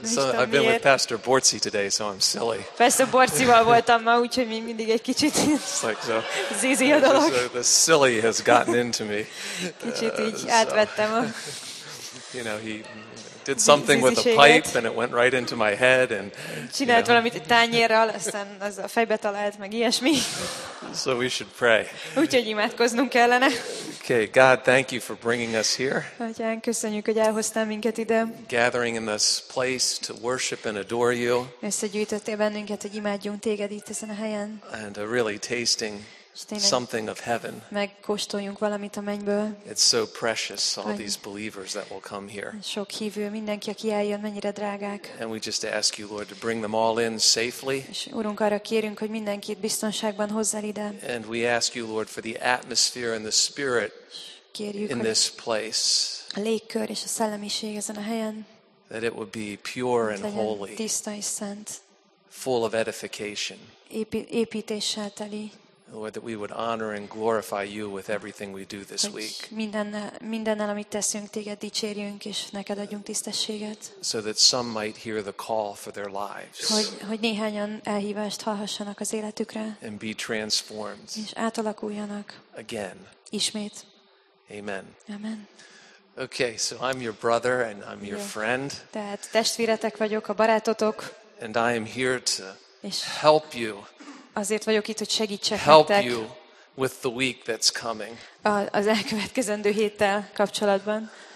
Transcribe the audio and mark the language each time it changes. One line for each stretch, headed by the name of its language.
English: So I've been with Pastor Borczy today, so I'm silly.
Hungarian: Pastor Borczyval voltam ma, úgyhogy még mindig egy kicsit zizi a dolog.
English: The silly has gotten into me.
Hungarian: Kicsit így átvettem.
English: You know, he did something with a pipe and it went right into my head and
Hungarian: csinált valamit tányérral, aztán az a fejbe talált, meg ilyesmi.
English: So we should pray.
Hungarian: Úgyhogy imádkoznunk kellene.
English: Okay, God, thank you for bringing us here.
Hungarian: Atyán, köszönjük, hogy elhoztál minket ide.
English: Gathering in this place to worship and adore you.
Hungarian: Összegyűjtöttél bennünket, hogy imádjunk téged itt ezen a helyen.
English: And really tasting something of heaven.
Hungarian: Megkóstoljunk valamit a mennyből.
English: It's so precious, all these believers that will come here.
Hungarian: Sok hívő, mindenki, aki eljön, mennyire drágák.
English: And we just ask you, Lord, to bring them all in safely.
Hungarian: És Urunk, arra kérünk, hogy mindenkit biztonságban hozzál ide.
English: And we ask you, Lord, for the atmosphere and the spirit in this place.
Hungarian: A légkör és a szellemiség ezen a helyen.
English: That it would be pure and holy.
Hungarian: Tiszta és szent.
English: Full of edification.
Hungarian: Építéssel teli.
English: Lord, that we would honor and glorify you with everything we do this week.
Hungarian: Mindennel, amit teszünk, téged dicsérjünk, és neked adjunk tisztességet.
English: So that some might hear the call for their lives.
Hungarian: Hogy néhányan elhívást hallhassanak az életükre.
English: And be transformed.
Hungarian: És átalakuljanak.
English: Again.
Hungarian: Ismét.
English: Amen.
Hungarian: Amen.
English: Okay, so I'm your brother and I'm your friend.
Hungarian: Tehát testvéretek vagyok, a barátotok.
English: And I am here to help you.
Hungarian: Azért vagyok itt, hogy segítsek
English: help
Hungarian: nektek
English: you with the week that's coming.
Hungarian: Az elkövetkezendő héttel kapcsolatban.